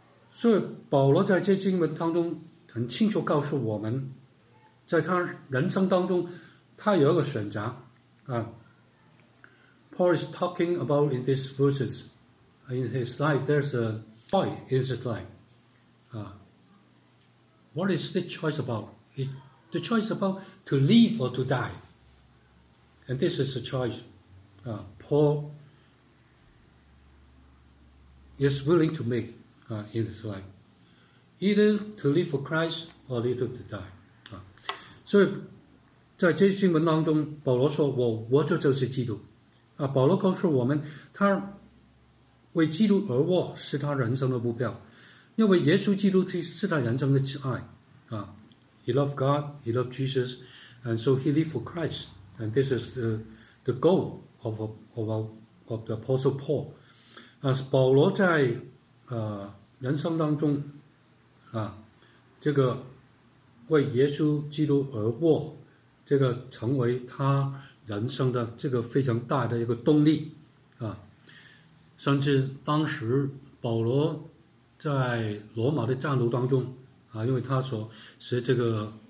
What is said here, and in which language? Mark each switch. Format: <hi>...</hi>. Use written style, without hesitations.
<zh>所以保罗在这经文当中很清楚告诉我们在他人生当中他有一个选择</zh> <en>Paul is talking about in these verses in his life there's a choice in his life what is the choice about the choice about to live or to dieAnd this is a choice. Paul is willing to make in his life. Either to live for Christ or either to die.</en> <zh>所以在这些经文当中保罗说我活着就是基督。保罗告诉我们他为基督而活是他人生的目标。因为耶稣基督是他人生的挚爱。</zh> <en>He loved God, he loved Jesus, and so he lived for Christ. And this is the goal of the Apostle Paul. As</en> <zh>保罗在人生当中这个为耶稣基督而活，这个成为他人生的这个非常大的一个动力甚至当时保罗在罗马的战斗当中因为他所是这个。</zh>